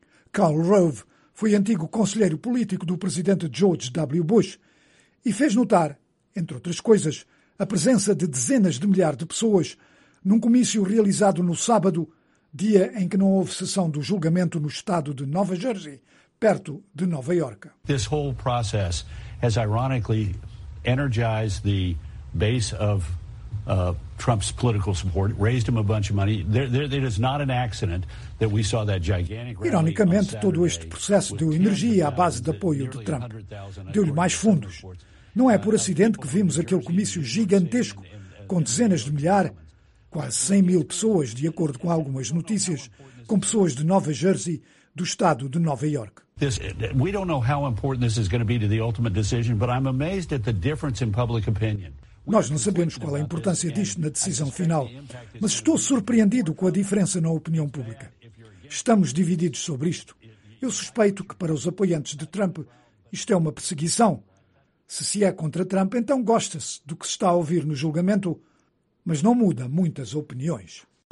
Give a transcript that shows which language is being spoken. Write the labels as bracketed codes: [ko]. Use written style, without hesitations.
[pt] Karl Rove foi antigo conselheiro político do presidente George W. Bush e fez notar, entre outras coisas, a presença de dezenas de milhares de pessoas num comício realizado no sábado, dia em que não houve sessão do julgamento no estado de Nova Jersey, perto de Nova Iorque. [en] This whole process has ironically energized the base of Trump's political support, raised him a bunch of money. It is not an accident that we saw that gigantic rally. [pt] Ironicamente, todo este processo deu energia à base de apoio de Trump, deu-lhe mais fundos. Não é por acidente que vimos aquele comício gigantesco com dezenas de milhares, quase 100 mil pessoas, de acordo com algumas notícias, com pessoas de Nova Jersey, do estado de Nova York. [en] We don't know how important this is going to be to the ultimate decision, but I'm amazed at the difference in public opinion. [pt] Nós não sabemos qual é a importância disto na decisão final, mas estou surpreendido com a diferença na opinião pública. Estamos divididos sobre isto. Eu suspeito que para os apoiantes de Trump isto é uma perseguição. Se é contra Trump, então gosta-se do que se está a ouvir no julgamento, mas não muda muitas opiniões.